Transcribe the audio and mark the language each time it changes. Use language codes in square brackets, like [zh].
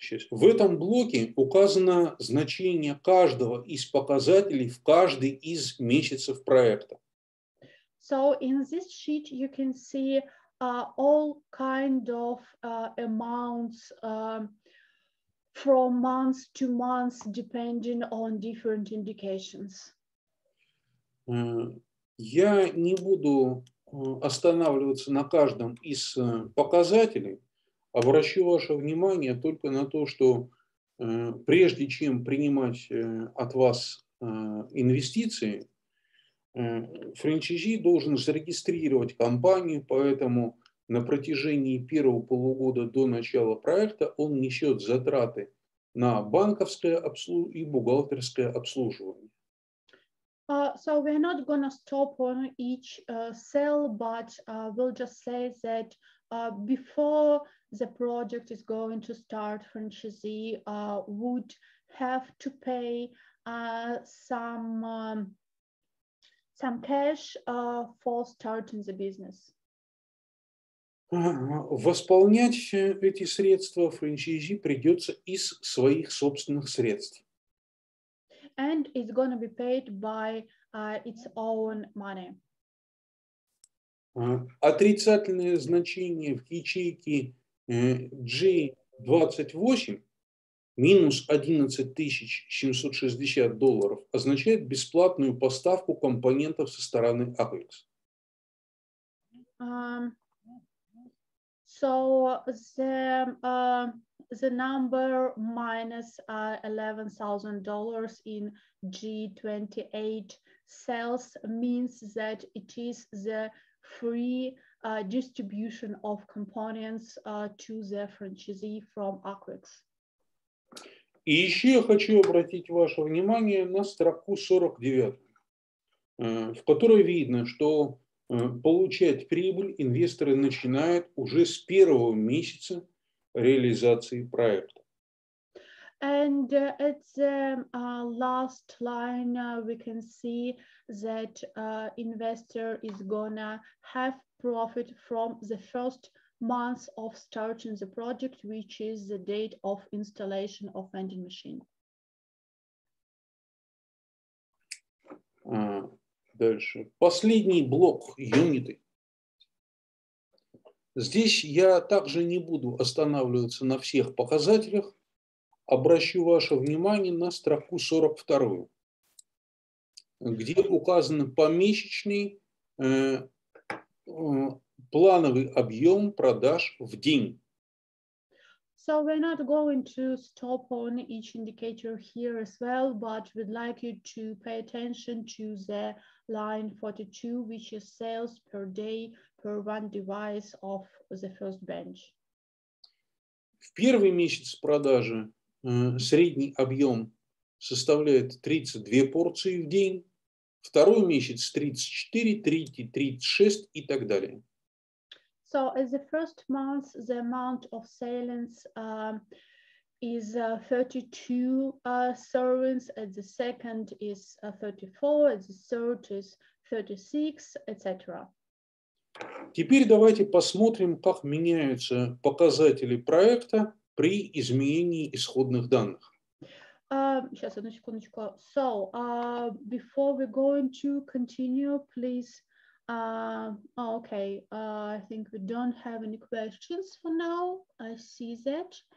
[ru] В этом блоке указано значение каждого из показателей в каждый из месяцев проекта. [en] So in this sheet you can see all kind of amounts from month to month depending on different indications. [ru] Я не буду останавливаться на каждом из показателей. Обращу ваше внимание только на то, что прежде чем принимать от вас инвестиции, франчайзи должен зарегистрировать компанию, поэтому на протяжении первого полугода до начала проекта он несет затраты на банковское и бухгалтерское обслуживание. [en] So we're not going to stop on each sale, but we'll just say that before the project is going to start, franchisee would have to pay some cash for starting the business. [ru] Восполнять эти средства франчайзи придется из своих собственных средств. [en] And it's going to be paid by its own money. [ru] Отрицательное значение в ячейке G28 минус 11 760 долларов означает бесплатную поставку компонентов со стороны Apex. [en] So the number minus $11,000 in G28 sales means that it is the free distribution of components to the franchisee from Aquix. [ru] И еще я хочу обратить ваше внимание на строку 49, в которой видно, что получать прибыль инвесторы начинают уже с первого месяца реализации проекта. [en] And at the last line we can see that investor is gonna have profit from the first month of starting the project, which is the date of installation of vending machine. [ru] Дальше. Последний блок юниты. Здесь я также не буду останавливаться на всех показателях. Обращу ваше внимание на строку 42, где указан помесячный плановый объем продаж в день. [en] So we're not going to stop on each indicator here as well, but we'd like you to pay attention to the line 42, which is sales per day per one device of the first bench. [ru] В первый месяц продажи средний объем составляет 32 порции в день, второй месяц 34, третий 36 и так далее. [en] So in the first month the amount of sales is 32 servings, at the second is 34, at the third is 36, etc. [ru] Теперь давайте посмотрим, как меняются показатели проекта при изменении исходных данных. Сейчас, одну секундочку. [en] So, before we go into continue, please. Okay, I think we don't have any questions for now. I see that.